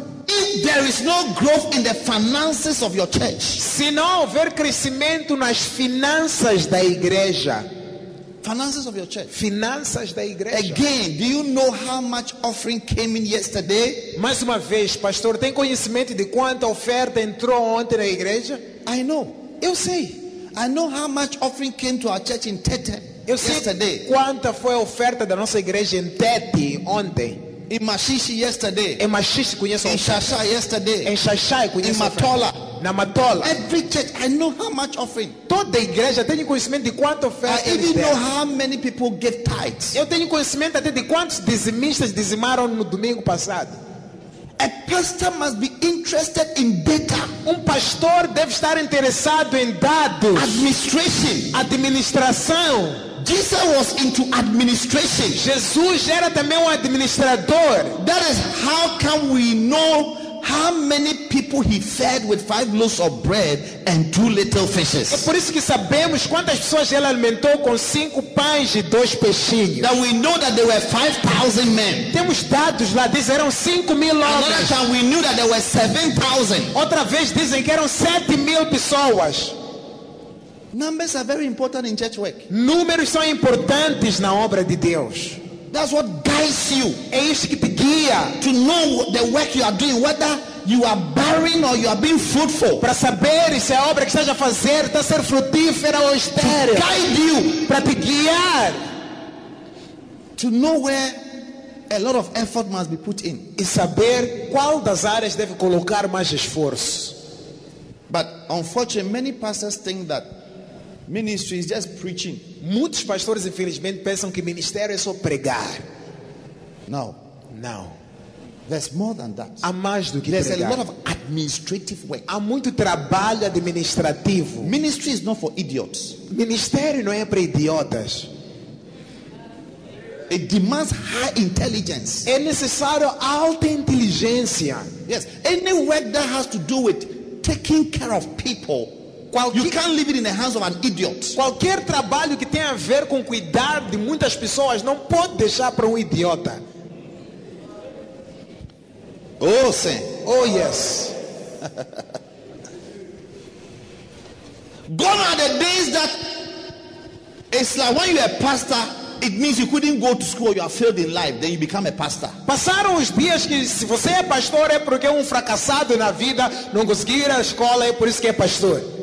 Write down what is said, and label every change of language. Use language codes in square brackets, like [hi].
[en] If there is no growth in the finances of your church. [pt] Se não houver crescimento nas finanças da igreja. [en] Finances of your church. [pt] Finanças da igreja. [en] Again, do you know how much offering came in yesterday? [pt] Mais uma vez, pastor, tem conhecimento de quanta oferta entrou ontem na igreja? [en] I know. [pt] Eu sei. [en] I know how much offering came to our church in Tete. [pt] Eu sei [en] yesterday. [pt] Quanta foi a oferta da nossa igreja em Tete ontem? [en] In Machishi yesterday. [pt] Em Machishi conheço. [en] In Shasha yesterday. [pt] Em Shasha conheço. [en] In Matola. [pt] Na Matola. [en] Every church, I know how much offering. [pt] Toda igreja tenho conhecimento de quanto oferta. [en] I even know how many people give tithes. [pt] Eu tenho conhecimento até de quantos dizimistas dizimaram no domingo passado. [en] A pastor must be interested in data. [pt] Pastor deve estar interessado em dados. [en] Administration. [pt] Administração. [en] Jesus was into administration. [pt] Jesus era também administrador. [en] That is how can we know how many people he fed with 5 loaves of bread and 2 little fishes? [pt] É por isso que sabemos quantas pessoas ele alimentou com 5 pães e 2 peixinhos. [en] That we know that there were 5,000 men. [pt] Temos dados lá, dizem eram 5,000 homens. [en] Another time we knew that there were 7,000. [pt] Outra vez dizem que eram 7,000 pessoas. [en] Numbers are very important in church work. [pt] Números são importantes na obra de Deus. [en] That's what guides you. [pt] É isso que te guia. [en] To know the work you are doing, whether you are barren or you are being fruitful. [pt] Para saber se a obra que estás a fazer está a ser frutífera ou estéril. [en] To guide you. [pt] Para te guiar. [en] To know where a lot of effort must be put in. [pt] E saber qual das áreas deve colocar mais esforço. [en] But unfortunately, many pastors think that ministry is just preaching. [pt] Muitos pastores infelizmente pensam que ministério é só pregar. [en] No. There's more than that. [pt] Há mais do que [en] There's [pt] pregar. [en] A lot of administrative work. [pt] Há muito trabalho administrativo. [en] Ministry is not for idiots. [pt] Ministério não é para idiotas. [en] It demands high intelligence. É necessário alta inteligência. Yes. Any work that has to do with taking care of people. You can't leave it in the hands of an idiot. [pt] Qualquer trabalho que tenha a ver com cuidar de muitas pessoas não pode deixar para idiota. Oh, sim. [en] Oh, yes. Gone are the days that it's like when you're a pastor, it means you couldn't go to school, you are failed in life, then you become a pastor. [pt] Passaram os dias que se você é pastor é porque é fracassado na vida, não conseguiu ir à escola, é por isso que é pastor.